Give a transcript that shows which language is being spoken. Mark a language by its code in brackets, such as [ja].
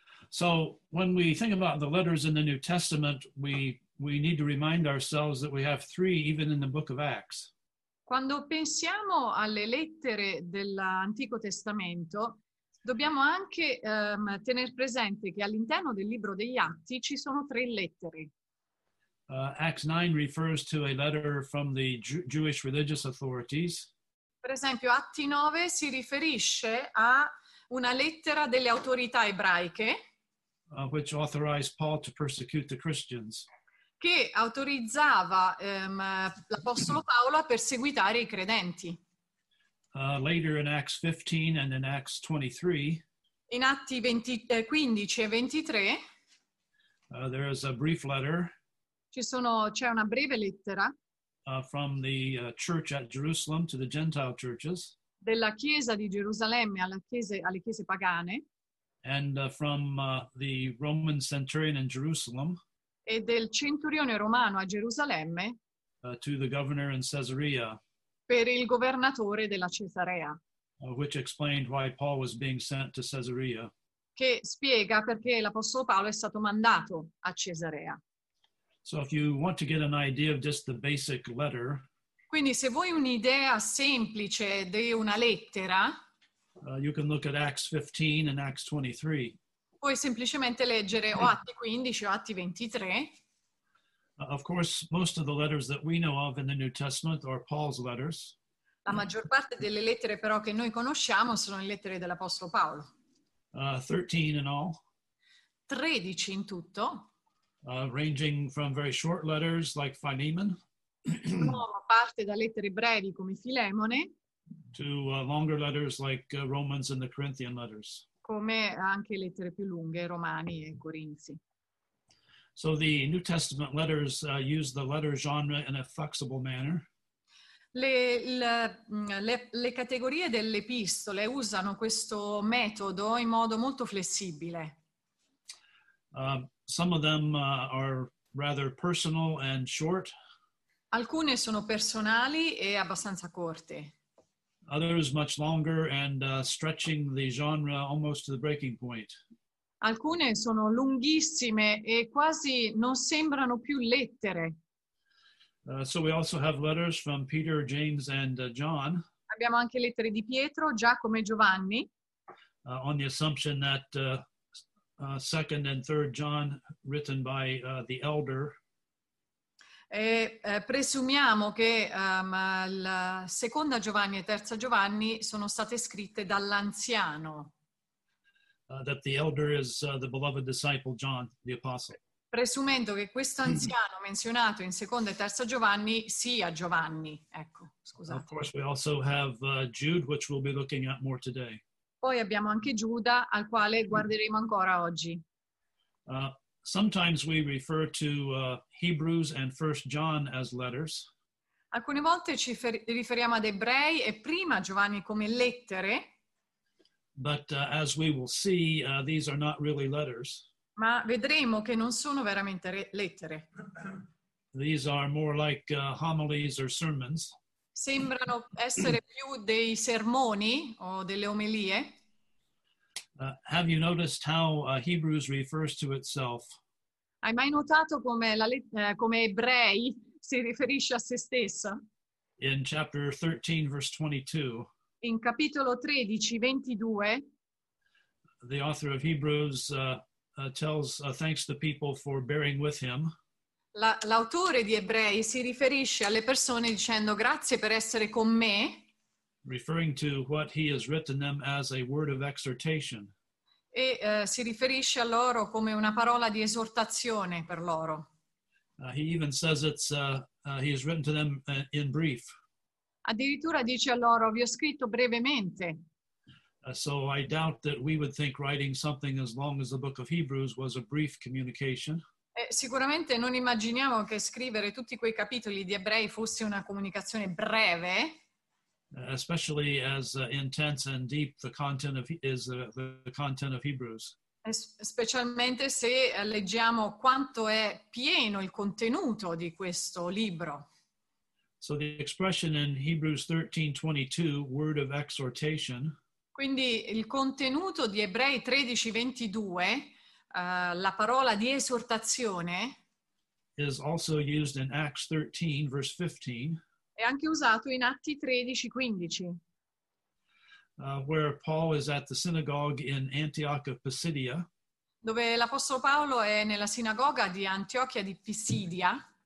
[en] So when we think about the letters in the New Testament, we need to remind ourselves that we have three even in the book of Acts. [it] Quando pensiamo alle lettere dell'Antico Testamento, dobbiamo anche tener presente che all'interno del libro degli Atti ci sono tre lettere. [en] Acts 9 refers to a letter from the Jewish religious authorities. [it] Per esempio, Atti 9 si riferisce a una lettera delle autorità ebraiche, [en] which authorized Paul to persecute the Christians. [it] Che autorizzava l'Apostolo Paolo a perseguitare i credenti. [en] Later in Acts 15 and in Acts 23, [it] in Atti 15 e 23, [en] there is a brief letter, [it] c'è una breve lettera, [en] from the church at Jerusalem to the Gentile churches, [it] della chiesa di Gerusalemme alle chiese pagane, [en] and from the Roman centurion in Jerusalem, [it] e del centurione romano a Gerusalemme, [en] to the governor in Caesarea, [it] per il governatore della Cesarea, [en] which explained why Paul was being sent to Caesarea, [it] che spiega perché l'Apostolo Paolo è stato mandato a Cesarea. [en] So if you want to get an idea of just the basic letter, [it] quindi se vuoi un'idea semplice di una lettera, [en] you can look at Acts 15 and Acts 23. [it] Puoi semplicemente leggere o Atti 15 o Atti 23. [en] Of course, most of the letters that we know of in the New Testament are Paul's letters. [it] La maggior parte delle lettere però che noi conosciamo sono le lettere dell'Apostolo Paolo. [en] 13 in all. [it] 13 in tutto. [en] Ranging from very short letters like Philemon. [it] Parte da lettere brevi come Filemone. [en] To longer letters like Romans and the Corinthian letters. [it] Come anche lettere più lunghe, Romani e Corinzi. [en] So the New Testament letters use the letter genre in a flexible manner. [it] Le categorie delle epistole usano questo metodo in modo molto flessibile. [en] Some of them are rather personal and short. [it] Alcune sono personali e abbastanza corte. [en] Others much longer and stretching the genre almost to the breaking point. [it] Alcune sono lunghissime e quasi non sembrano più lettere. [en] So we also have letters from Peter, James and John. [it] Abbiamo anche lettere di Pietro, Giacomo e Giovanni. [en] On the assumption that second and third John written by the elder. [it] E presumiamo che la seconda Giovanni e terza Giovanni sono state scritte dall'anziano. [en] that the elder is the beloved disciple John the apostle. [it] Presumendo che questo anziano menzionato in Seconda e Terza Giovanni sia Giovanni, ecco, scusate. [en] Of course we also have Jude, which we'll be looking at more today. [it] Poi abbiamo anche Giuda, al quale guarderemo ancora oggi. [en] Sometimes we refer to Hebrews and 1 John as letters. [it] Alcune volte ci riferiamo ad Ebrei e prima Giovanni come lettere. [en] But as we will see, these are not really letters. [it] Ma vedremo che non sono veramente lettere. [en] These are more like homilies or sermons. [it] Sembrano essere più dei sermoni o delle omelie. [en] Have you noticed how Hebrews refers to itself? [it] Hai mai notato come come Ebrei si riferisce a se stessa? [en] In chapter 13, verse 22. [it] In capitolo 13, 22. [en] The author of Hebrews thanks the people for bearing with him. [it] L'autore di Ebrei si riferisce alle persone dicendo grazie per essere con me. [en] Referring to what he has written them as a word of exhortation. [it] E si riferisce a loro come una parola di esortazione per loro. [en] He even says it's he has written to them in brief. [it] Addirittura dice a loro vi ho scritto brevemente. [en] So I doubt that we would think writing something as long as the book of Hebrews was a brief communication. [it] Sicuramente non immaginiamo che scrivere tutti quei capitoli di Ebrei fosse una comunicazione breve. [en] Especially as intense and deep the content of is the content of Hebrews. [it] Specialmente se leggiamo quanto è pieno il contenuto di questo libro. [en] So the expression in Hebrews 13:22, word of exhortation. [it] Quindi il contenuto di Ebrei 13:22, la parola di esortazione, [en] is also used in Acts 13, verse 15. [it] È anche usato in Atti 13:15. [en] Where Paul is at the synagogue in Antioch of Pisidia. [it] Dove l'apostolo Paolo è nella sinagoga di Antiochia di Pisidia.